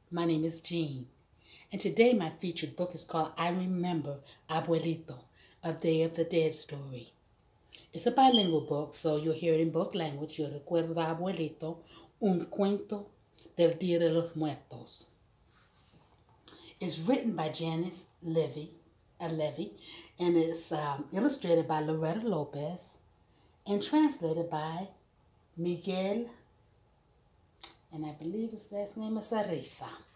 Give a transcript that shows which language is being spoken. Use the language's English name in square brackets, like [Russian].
[English] My name is Jean, and today my featured book is called I Remember Abuelito, A Day of the Dead Story. It's a bilingual book, so you'll hear it in both languages. [Spanish] Yo recuerdo abuelito, un cuento del día de los muertos. [English] It's written by Janice Levy, and it's illustrated by Loretta Lopez and translated by Miguel, and I believe his last name is Arisa.